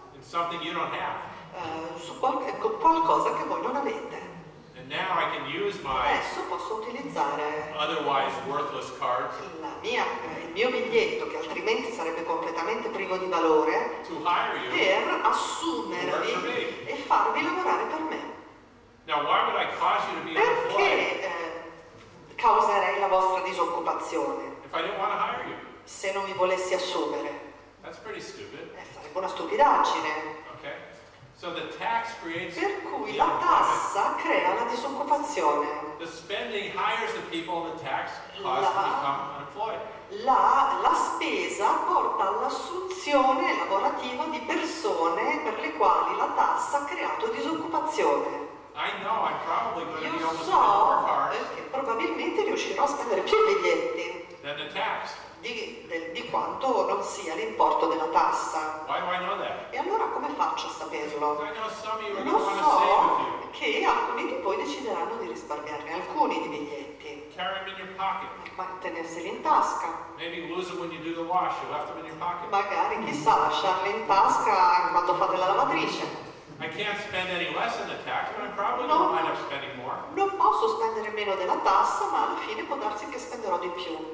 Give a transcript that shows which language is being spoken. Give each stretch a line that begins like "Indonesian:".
English: In something you don't have.
Italian: Qualcosa che voi non avete.
English: Now I can use my
Italian: adesso posso utilizzare
English: otherwise worthless card
Italian: il mio biglietto che altrimenti sarebbe completamente privo di valore
English: to hire you
Italian: per assumervi e farvi lavorare per me.
English: Now why would I cause you to be
Italian: perché causerei la vostra disoccupazione
English: if I didn't want to hire you?
Italian: Se non mi volessi assumere.
English: That's pretty stupid.
Italian: Sarebbe una stupidaggine.
English: Okay. So the tax creates
Italian: per cui la tassa crea la disoccupazione.
English: The spending hires the people the tax costs to become unemployed.
Italian: La spesa porta all'assunzione lavorativa di persone per le quali la tassa ha creato disoccupazione.
English: I know I'm probably going
Italian: io
English: to be able to
Italian: so
English: spend more cards
Italian: che probabilmente riuscirò a spendere più biglietti
English: than the tax.
Italian: Di quanto non sia l'importo della tassa. E allora come faccio a saperlo? Lo so che alcuni di voi decideranno di risparmiarne alcuni di biglietti. Mantenerseli in tasca. Magari chissà lasciarli in tasca quando fate la lavatrice.
English: I can't spend any less than the tax, but I'm probably no, going to wind up spending more.
Italian: Non posso spendere meno della tassa, ma alla fine può darsi che spenderò di più.